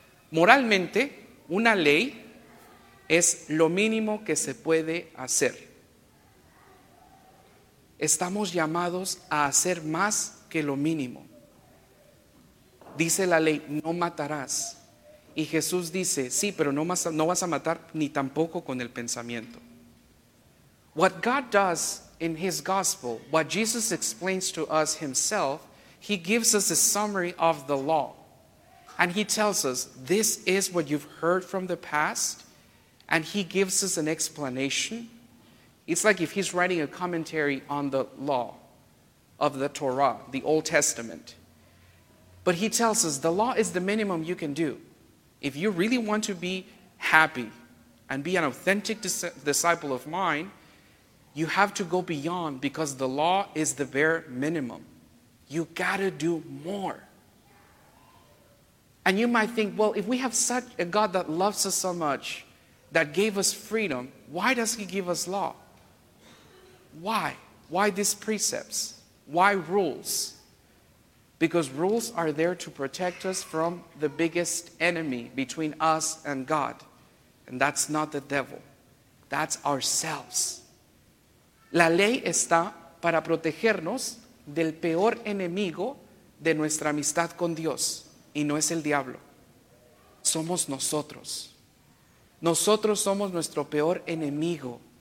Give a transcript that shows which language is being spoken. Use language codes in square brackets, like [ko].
[es] Moralmente, una ley es lo mínimo que se puede hacer. Estamos llamados a hacer más que lo mínimo. Dice la ley, no matarás. Y Jesús dice, sí, pero no vas a matar ni tampoco con el pensamiento. [en] What God does in his gospel, what Jesus explains to us himself, he gives us a summary of the law. And he tells us, this is what you've heard from the past. And he gives us an explanation. It's like if he's writing a commentary on the law of the Torah, the Old Testament. But he tells us the law is the minimum you can do. If you really want to be happy and be an authentic disciple of mine, you have to go beyond because the law is the bare minimum. You gotta do more. And you might think, well, if we have such a God that loves us so much, that gave us freedom, why does he give us law? Why? Why these precepts? Why rules? Because rules are there to protect us from the biggest enemy between us and God. And that's not the devil. That's ourselves. [es] La ley está para protegernos del peor enemigo de nuestra amistad con Dios. Y no es el diablo. Somos nosotros. Nosotros somos nuestro peor enemigo.